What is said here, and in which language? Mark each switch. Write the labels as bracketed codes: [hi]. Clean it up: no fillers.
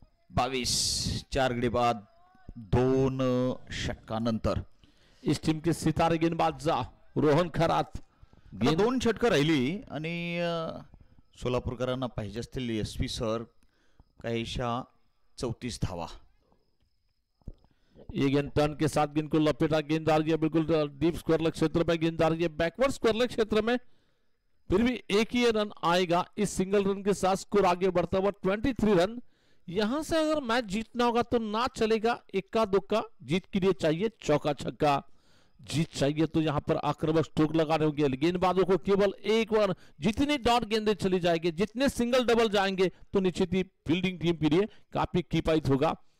[mr] बावीस चार गड़े बाद दोन षटकानंतर [hi] इस टीम के सितारे गेंदबाज रोहन खरात [mr] दोन षटक राहिली आणि सोलापूरकरांना पाहिजे असतील एसपी सर काहीशा 34 धावा। [hi] ये गेंद टर्न के साथ गेंद को लपेटा गेंद आ रही है बिल्कुल डीप स्क्वायर लेग क्षेत्र पे गेंद आ रही है बैकवर्ड स्क्वायर लेग क्षेत्र में फिर भी एक ही रन आएगा इस सिंगल रन के साथ स्कोर आगे बढ़ता हुआ 23 रन। यहां से अगर मैच जीतना होगा तो ना चलेगा इक्का दुक्का जीत के लिए चाहिए चौका छक्का जीत चाहिए तो यहां पर आक्रमक स्ट्रोक लगाने होंगे गेंदबाजों को केवल एक ओवर जितनी डॉट गेंदें चली जाएगी जितने सिंगल डबल जाएंगे तो निश्चित ही फील्डिंग टीम के लिए काफी किफायत होगा।